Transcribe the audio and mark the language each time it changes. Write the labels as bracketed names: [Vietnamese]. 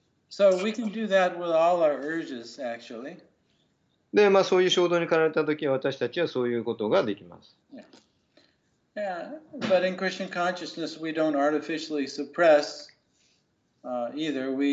[English] So we can do that with all our urges, actually. [Japanese] で、まあ、そういう衝動に駆られたとき、私たちはそういうことができます。 [English] Yeah. Yeah, but in Krishna consciousness, we don't artificially suppress either.